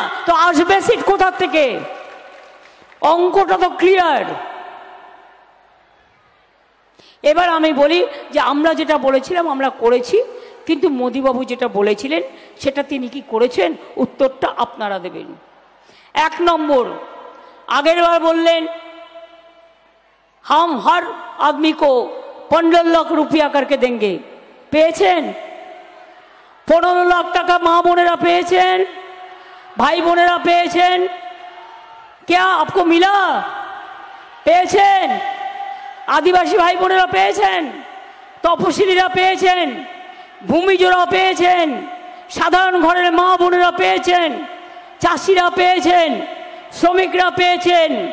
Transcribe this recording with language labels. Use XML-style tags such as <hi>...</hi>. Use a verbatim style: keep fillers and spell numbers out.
<bn>তো আসবে সিট কোথার থেকে? অঙ্কটা তো ক্লিয়ার। এবার আমি বলি যে আমরা যেটা বলেছিলাম আমরা করেছি, কিন্তু মোদিবাবু যেটা বলেছিলেন সেটা তিনি কি করেছেন, উত্তরটা আপনারা দেবেন। এক নম্বর, আগের বার বললেন</bn> <hi>हम हर आदमी को पंद्रह लाख रुपया करके देंगे,</hi> <bn>পেয়েছেন? পনেরো লাখ টাকা মা বোনেরা পেয়েছেন, ভাই বোনেরা পেয়েছেন,</bn> <hi>क्या आपको मिला?</hi> <bn>পেয়েছেন? আদিবাসী ভাই বোনেরা পেয়েছেন, তপশিলীরা পেয়েছেন, ভূমিজরা পেয়েছেন, সাধারণ ঘরের মা বোনেরা পেয়েছেন, চাষিরা পেয়েছেন, শ্রমিকরা পেয়েছেন।</bn>